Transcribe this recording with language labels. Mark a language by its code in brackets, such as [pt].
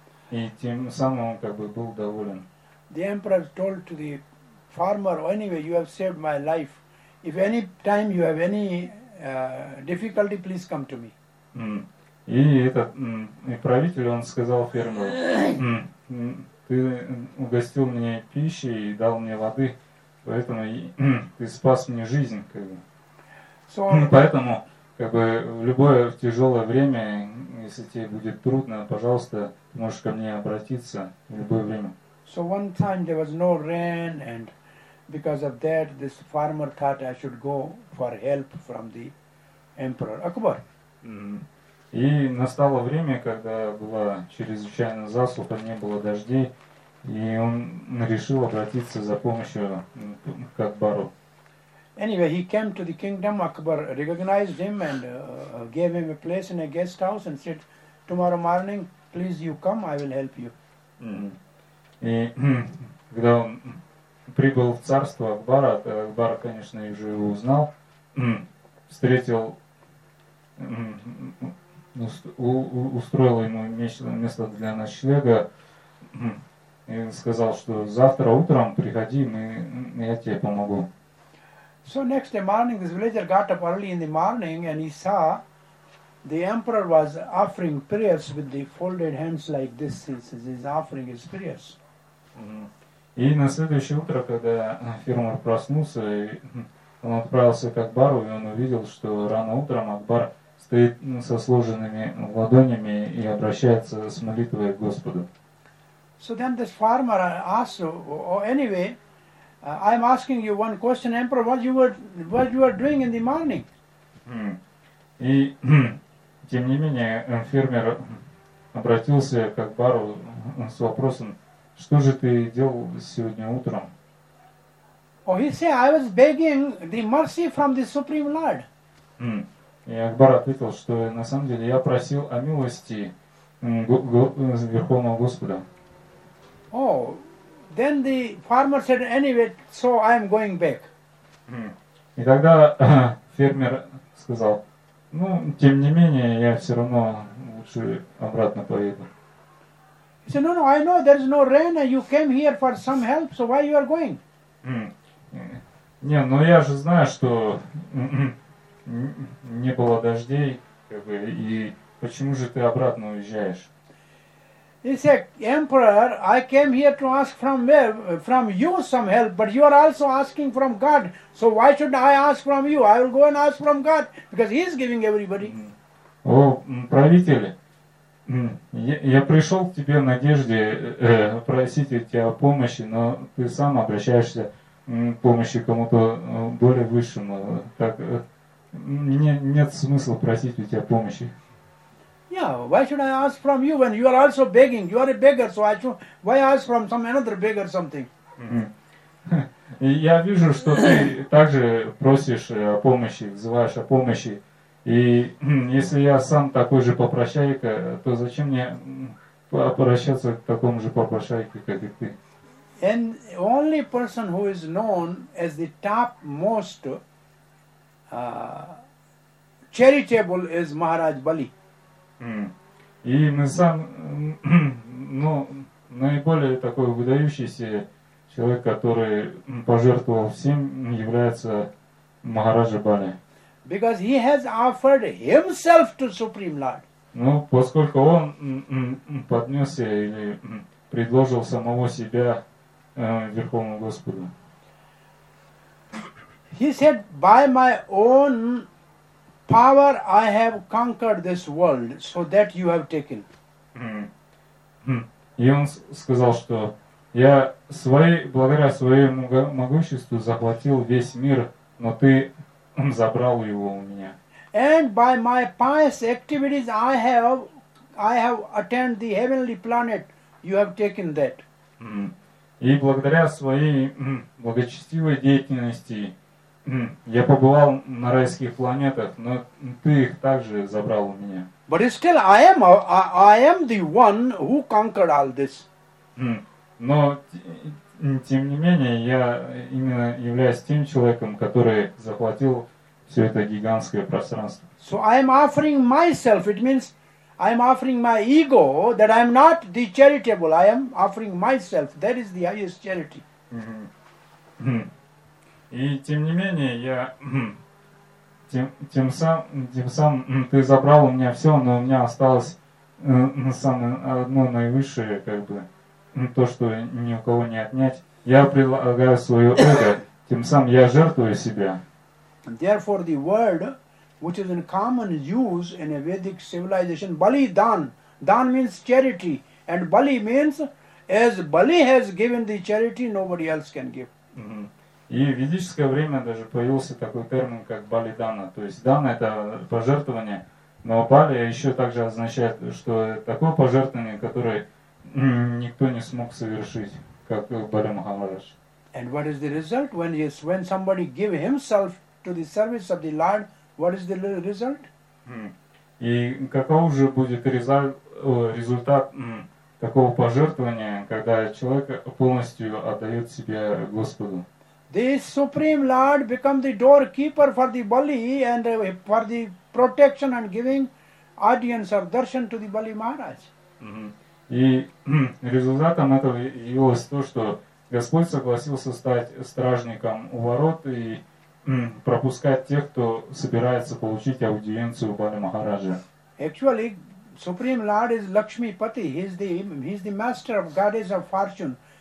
[ru] И тем самым он как бы был доволен. [en] The emperor told to the farmer, anyway, you have saved my life. If any time you have any difficulty, please come to me. [ru] И этот и правитель, он сказал фермеру, ты угостил мне пищей и дал мне воды, поэтому ты спас мне жизнь. Как бы. So, поэтому как бы, в любое тяжелое время, если тебе будет трудно, пожалуйста, ты можешь ко мне обратиться в любое время. [en] So one time there was no rain, and because of that, this farmer thought I should go for help from the emperor Akbar. [ru] И настало время, когда была чрезвычайно засуха, не было дождей, и он решил обратиться за помощью к Акбару. [en] Anyway, he came to the kingdom. Akbar recognized him and gave him a place in a guest house and said, "Tomorrow morning, please you come. I will help you." [ru] И когда он прибыл в царство Акбара, Акбар, конечно, уже его узнал, встретил, устроил ему место для ночлега и сказал, что завтра утром приходи, я тебе помогу. [en] So next morning this villager got up early in the morning and he saw the emperor was offering prayers with the folded hands like this. He says he's offering his prayers. [ru] И на следующее утро, когда фермер проснулся, он отправился к Акбару, и он увидел, что рано утром Акбар стоит со сложенными ладонями и обращается с молитвой к Господу. [en] So then this farmer asked, oh, anyway, I'm asking you one question, Emperor, what you were doing in the morning? [ru] И тем не менее фермер обратился к Акбару с вопросом, что же ты делал сегодня утром? [en] Oh, he said, I was begging the mercy from the Supreme Lord. [ru] И Акбар ответил, что на самом деле я просил о милости Верховного Господа. [en] Oh, then the farmer said, anyway, so I am going back. [ru] И тогда фермер сказал, ну, тем не менее, я все равно лучше обратно поеду. [en] He said, no, I know there is no rain and you came here for some help, so why you are going? [ru] Не, но я же знаю, что не было дождей, как бы, и почему же ты обратно уезжаешь? [en] He said, Emperor, I came here to ask from you some help, but you are also asking from God, so why should I ask from you? I will go and ask from God, because He is giving everybody. [ru] О, правители! Я пришел к тебе в надежде просить у тебя помощи, но ты сам обращаешься к помощи кому-то более высшему. Так, нет смысла просить у тебя помощи. [en] Yeah, why should I ask from you when you are also begging? You are a beggar, so why ask from some another beggar something? [ru] Я вижу, что ты также просишь о помощи, взываешь о помощи. И если я сам такой же попрощайка, то зачем мне обращаться к такому же попрощайке, как и ты? [en] And only person who is known as the topmost charitable is Maharaj Bali. [ru] И мы сам, ну, наиболее такой выдающийся человек, который пожертвовал всем, является Махараджа Бали. [en] Because he has offered himself to Supreme Lord. [ru] Ну, поскольку он поднесся или предложил самого себя Верховному Господу. [en] He said, by my own power I have conquered this world, so that you have taken. [ru] И он сказал, что я благодаря своему могуществу захватил весь мир, но ты забрал его у меня. [en] And by my pious activities I have attained the heavenly planet. You have taken that. [ru] И благодаря своей благочестивой деятельности Я побывал на райских планетах, но ты их также забрал у меня. [en] But still I am the one who conquered all this. [ru] Но тем не менее я именно являюсь тем человеком, который захватил все это гигантское пространство. [en] So I am offering myself, it means I am offering my ego that I am not the charitable, I am offering myself, that is the highest charity. [ru] И тем не менее я тем самым ты забрал у меня все, но у меня осталось одно наивысшее, как бы то, что ни у кого не отнять. Я предлагаю свое эго, тем самым я жертвую себя. [en] Therefore the word which is in common use in a Vedic civilization, Bali Dan. Dan means charity, and Bali means as Bali has given the charity, nobody else can give. [ru] И в ведическое время даже появился такой термин, как Бали-дана. То есть дана – это пожертвование, но Бали еще также означает, что такое пожертвование, которое никто не смог совершить, как Бали Махарадж. [en] And what is the result? When somebody give himself to the service of the Lord, what is the result? [ru] И каков же будет результат такого пожертвования, когда человек полностью отдает себя Господу? [en] The Supreme Lord become the doorkeeper for the Bali and for the protection and giving audience or darshan to the Bali Maharaj. [ru] И результатом этого явилось то, что Господь согласился стать стражником у ворот и пропускать тех, кто собирается получить аудиенцию у Бали Махараджа. [en] Actually, Supreme Lord is Lakshmipati. He's the master of goddess of fortune.